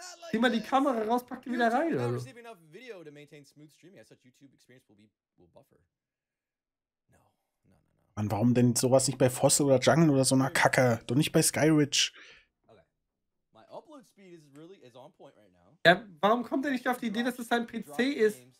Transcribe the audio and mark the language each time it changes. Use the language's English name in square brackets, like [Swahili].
[German] Zieh mal die Kamera raus, pack die wieder rein, oder? [English] YouTube not receiving enough video to maintain smooth streaming. I said YouTube experience will buffer. No. [German] Mann, warum denn sowas nicht bei Fossil oder Jungle oder so einer Kacke? Doch nicht bei Skyridge. Okay. [English] My upload speed is really is on point right now. [German] Ja, warum kommt er nicht auf die Idee, dass es sein PC ist?